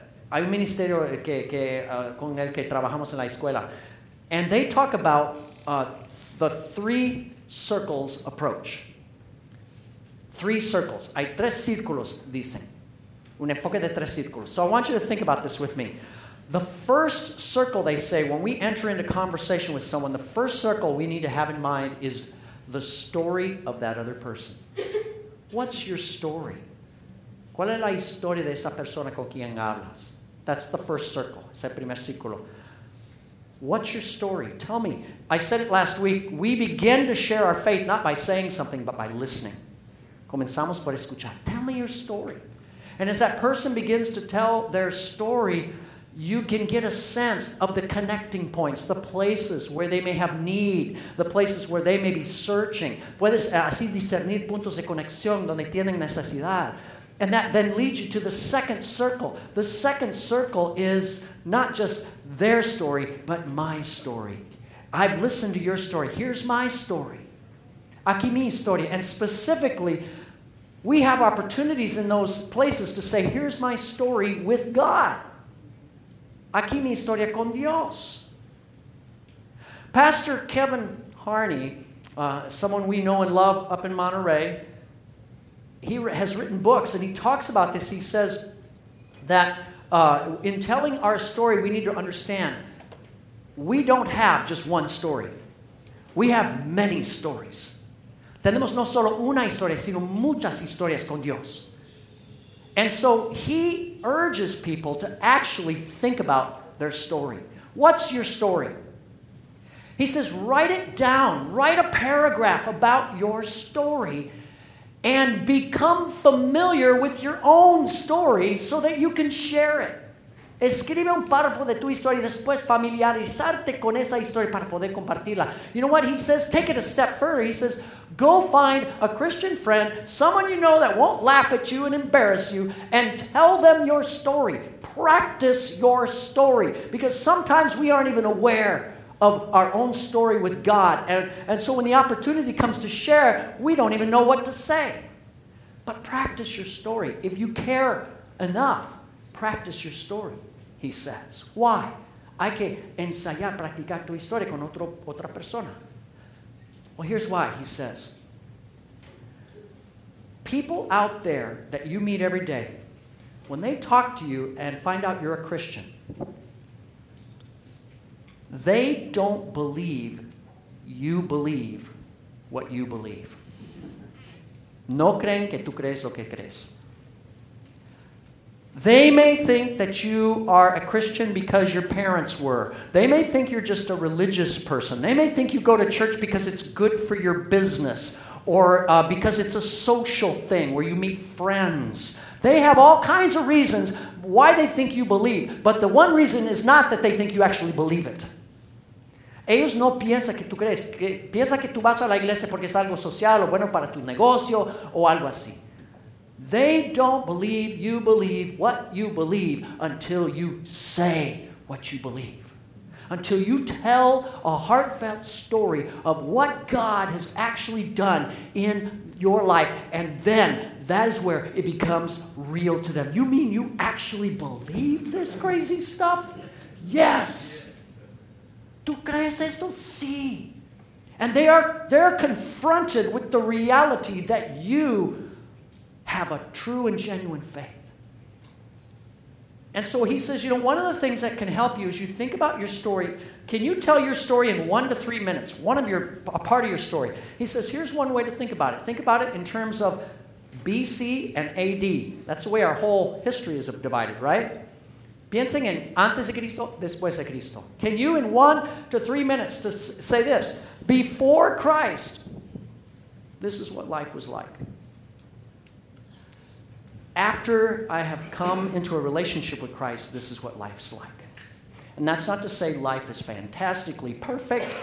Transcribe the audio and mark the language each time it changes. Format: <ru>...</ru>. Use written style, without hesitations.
<es>Hay un ministerio con el que trabajamos en la escuela.</es> <en>And they talk about the three circles approach. Three circles.</en> <es>Hay tres círculos, dicen. Un enfoque de tres círculos.</es> <en>So I want you to think about this with me. The first circle, they say, when we enter into conversation with someone, the first circle we need to have in mind is the story of that other person. What's your story?</en> <es>¿Cuál es la historia de esa persona con quien hablas?</es> <en>That's the first circle.</en> <es>Es el primer círculo.</es> <en>What's your story? Tell me. I said it last week. We begin to share our faith not by saying something, but by listening.</en> <es>Comenzamos por escuchar.</es> <en>Tell me your story. And as that person begins to tell their story, you can get a sense of the connecting points, the places where they may have need, the places where they may be searching.</en> <es>Puedes así discernir puntos de conexión donde tienen necesidad.</es> <en>And that then leads you to the second circle. The second circle is not just their story, but my story. I've listened to your story. Here's my story.</en> <es>Aquí mi historia.</es> <en>And specifically, we have opportunities in those places to say, here's my story with God.</en> <es>Aquí mi historia con Dios.</es> <en>Pastor Kevin Harney, someone we know and love up in Monterey, he has written books and he talks about this. He says that in telling our story, we need to understand we don't have just one story. We have many stories.</en> <es>Tenemos no solo una historia, sino muchas historias con Dios.</es> <en>And so he urges people to actually think about their story. What's your story? He says, write it down. Write a paragraph about your story and become familiar with your own story so that you can share it.</en> <es>Escribe un párrafo de tu historia y después familiarizarte con esa historia para poder compartirla.</es> <en>You know what he says? Take it a step further. He says, go find a Christian friend, someone you know that won't laugh at you and embarrass you, and tell them your story. Practice your story. Because sometimes we aren't even aware of our own story with God. And so when the opportunity comes to share, we don't even know what to say. But practice your story. If you care enough, practice your story, he says. Why?</en> <es>Hay que ensayar, practicar tu historia con otra persona.</es> <en>Well, here's why, he says. People out there that you meet every day, when they talk to you and find out you're a Christian, they don't believe you believe what you believe.</en> <es>No creen que tú crees lo que crees.</es> <en>They may think that you are a Christian because your parents were. They may think you're just a religious person. They may think you go to church because it's good for your business or because it's a social thing where you meet friends. They have all kinds of reasons why they think you believe, but the one reason is not that they think you actually believe it.</en> <es>Ellos no piensan que tú crees. Piensan que tú vas a la iglesia porque es algo social o bueno para tu negocio o algo así.</es> <en>They don't believe what you believe until you say what you believe. Until you tell a heartfelt story of what God has actually done in your life. And then that is where it becomes real to them. You mean you actually believe this crazy stuff? Yes.</en> <es>¿Tú crees esto? Sí.</es> <en>And they're confronted with the reality that you have a true and genuine faith. And so he says, you know, one of the things that can help you is you think about your story. Can you tell your story in 1 to 3 minutes? A part of your story. He says, here's one way to think about it. Think about it in terms of BC and AD. That's the way our whole history is divided, right?</en> <es>Piensen en antes de Cristo, después de Cristo.</es> <en>Can you in 1 to 3 minutes to say this? Before Christ, this is what life was like. After I have come into a relationship with Christ, this is what life's like. And that's not to say life is fantastically perfect.</en>